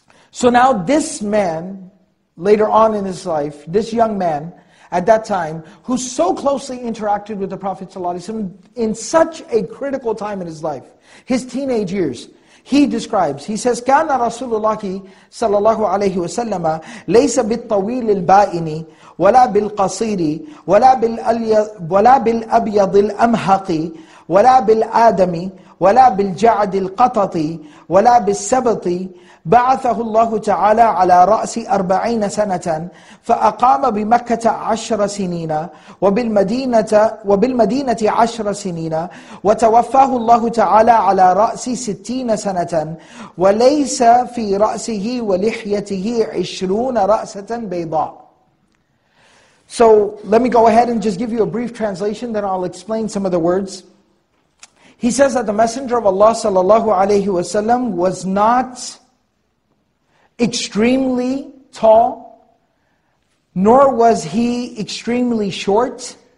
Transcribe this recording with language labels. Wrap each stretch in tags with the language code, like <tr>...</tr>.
<en>So now this man, later on in his life, this young man at that time, who so closely interacted with the Prophet ﷺ in such a critical time in his life, his teenage years, he describes, he says,</en> <ar>"كان رسول الله صلى الله عليه وسلم ليس بالطويل البائن ولا بالقصير ولا بالأبيض الأمهق ولا بالآدم ولا بالجعد القطط ولا بالسبط. بعثه الله تعالى على رأس 40 سنة فأقام بمكة 10 سنين وبالمدينة 10 سنين وتوفاه الله تعالى على رأس 60 سنة وليس في رأسه ولحيته 20 رأسة بيضاء."</ar> <en>So let me go ahead and just give you a brief translation, then I'll explain some of the words. He says that the Messenger of Allah sallallahu alayhi wa sallam was not extremely tall, nor was he extremely short.</en>